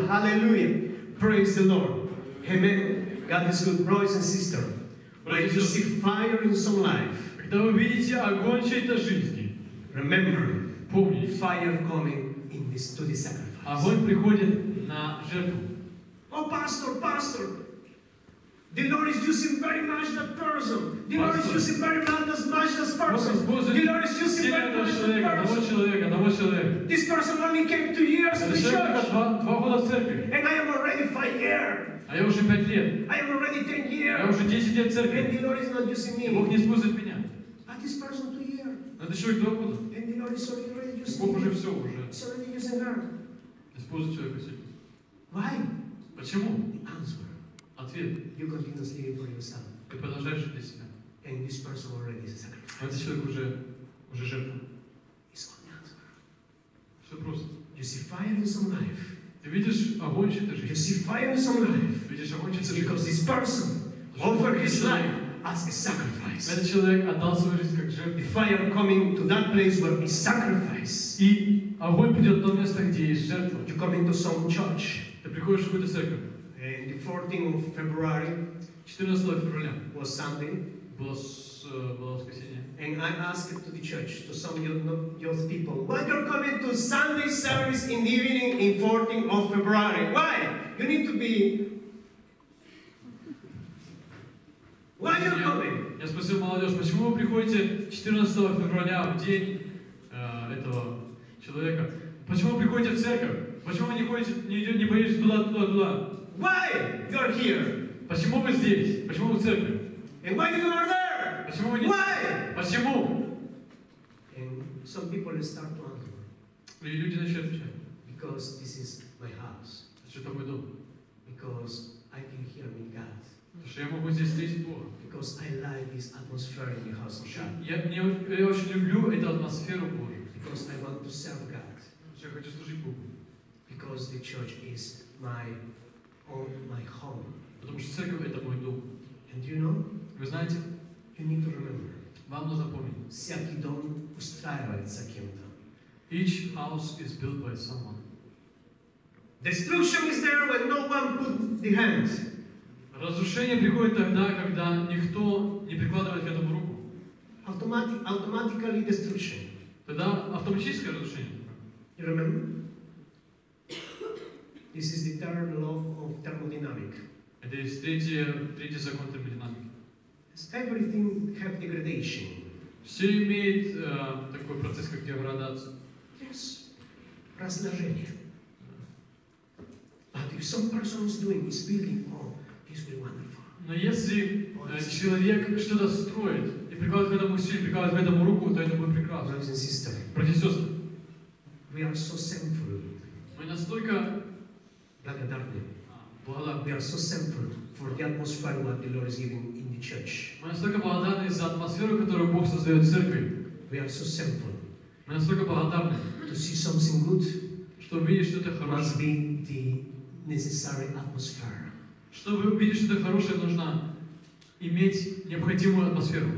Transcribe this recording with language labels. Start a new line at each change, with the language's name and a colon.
English: Аллилуйя. Praise the Lord. Amen. God is good, brothers and sisters. When you see fire in some life,
Russian: когда вы видите огонь чьей-то жизни,
English: remember,
Russian: помни,
English: fire coming in this to the sacrifice.
Russian: Огонь приходит на жертву.
English: Oh, pastor, the Lord is using very much that person. The pastor. Lord is using very much that person.
Russian: Господь,
English: the Lord is using very much that
Russian: человека,
English: person.
Russian: Того человека.
English: This person only came 2 years to the church.
Russian: Два года в церкви.
English: And I am already 5 years.
Russian: А я уже 5 лет.
English: I am already 10 years.
Russian: Я уже 10 лет в церкви.
English: And the Lord is not using me.
Russian: Бог не использует меня.
English: This person 2 years.
Russian: Надо еще и 2 года.
English: And the Lord is already using.
Russian: Бог уже все уже.
English: He's already using her.
Russian: Использует человека себе.
English: Why?
Russian: Почему?
English: The answer.
Russian: Ответ.
English: You continue living for yourself.
Russian: Ты продолжаешь жить для себя.
English: And this person already is a sacrifice.
Russian: Этот человек уже жертва.
English: It's only answer.
Russian: Все просто.
English: You see fire in some life.
Russian: Ты видишь огонь чьей-то жизни.
English: You see fire in some life.
Russian: Видишь огонь чьей-то жизни.
English: Because this person offered his life as a sacrifice.
Russian: Этот человек отдал свою жизнь как жертву.
English: The fire coming to that place where is sacrifice.
Russian: И огонь придет в то место, где есть жертва.
English: You come into some church.
Russian: Ты приходишь в какую-то церковь.
English: And the 14th of February.
Russian: 14 февраля.
English: Was Sunday.
Russian: Было воскресенье.
English: And I asked to the church, to some young people, why you're coming to Sunday service in the evening in 14th of February? Why? You need to be. Why you're coming?
Russian: Я спросил молодежь, почему вы приходите 14 февраля в день этого человека? Почему вы приходите в церковь? Почему вы не боитесь туда?
English: Why you're here?
Russian: Почему вы здесь? Почему вы в церкви?
English: And why you are there?
Russian: Почему вы не?
English: Why?
Russian: Почему?
English: And some people start to answer.
Russian: И люди начинают отвечать.
English: Because this is my house.
Russian: Что это мой дом?
English: Because I can hear me God.
Russian: Потому что я могу здесь слышать Бога.
English: Because I like this atmosphere in the house of God.
Russian: Я очень люблю эту атмосферу Божью.
English: Because I want to serve God.
Russian: Потому что я хочу служить Богу.
English: Because the church is my own, my home.
Russian: Потому что церковь это мой дом.
English: And you know?
Russian: Вы знаете?
English: You need to remember.
Russian: Вам нужно помнить. Всякий дом устраивается кем-то.
English: Each house is built by someone. Destruction is there when no one put the hands.
Russian: Разрушение приходит тогда, когда никто не прикладывает к этому руку.
English: Automatically destruction.
Russian: Тогда автоматическое разрушение.
English: You remember? This is the third law of thermodynamics.
Russian: Это третий закон термодинамики.
English: Everything has degradation.
Russian: Все имеют такой процесс, как деградация. Yes. Разложение.
English: But if some person is doing this building, oh, this will be wonderful.
Russian: Но если человек что-то строит и прикладывает к этому силу, прикладывает к этому руку, то это будет прекрасно. Братья и сестры. Братья и сестры.
English: We are so thankful.
Russian: Мы настолько благодарны.
English: We are so thankful for the atmosphere that the Lord is giving in the church.
Russian: Мы настолько благодарны за атмосферу, которую Бог создает в церкви.
English: We are so thankful.
Russian: Мы настолько благодарны.
English: To see something good.
Russian: Чтобы видеть что-то хорошее.
English: Must be the necessary atmosphere.
Russian: Чтобы увидеть что-то хорошее, нужно иметь необходимую атмосферу.